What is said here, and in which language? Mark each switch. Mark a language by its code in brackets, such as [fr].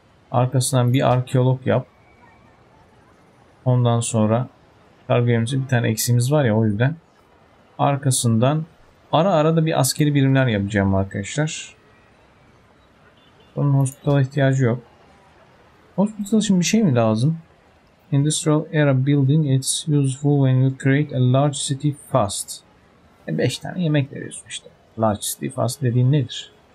[tr] Arkasından bir arkeolog yap. Ondan sonra kargo gemisi, bir tane eksiğimiz var ya, o yüzden arkasından ara ara da bir askeri birimler yapacağım arkadaşlar. Bunun hospital ihtiyacı yok. Hospital için bir şey mi lazım? [en] Industrial era building it's useful when you create a large city fast. [tr] 5 tane yemek veriyorsun işte. [en] Large city fast [tr] dediğin nedir?